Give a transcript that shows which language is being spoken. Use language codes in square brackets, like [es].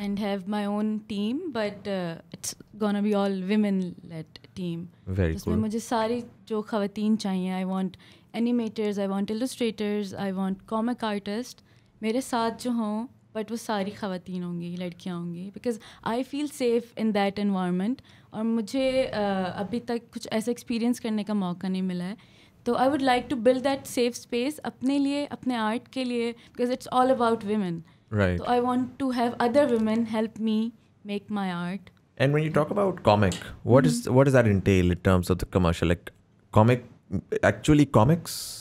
[en] And have my own team, but it's gonna be all women-led team. Very cool. [hi] उसमें मुझे सारी जो खवातीन चाहिए, [en] I want animators, I want illustrators, I want comic artists, [hi] मेरे साथ जो हों, but वो सारी खवातीन होंगी, लड़कियाँ होंगी, [en] because I feel safe in that environment. [hi] और मुझे अभी तक कुछ ऐसा experience करने का मौका नहीं मिला है. [en] तो I would like to build that safe space [hi] अपने लिए, अपने art के लिए, [en] because it's all about women. Right. So I want to have other women help me make my art. And when you talk about comic, what does that entail in terms of the commercial? Like comic, actually comics?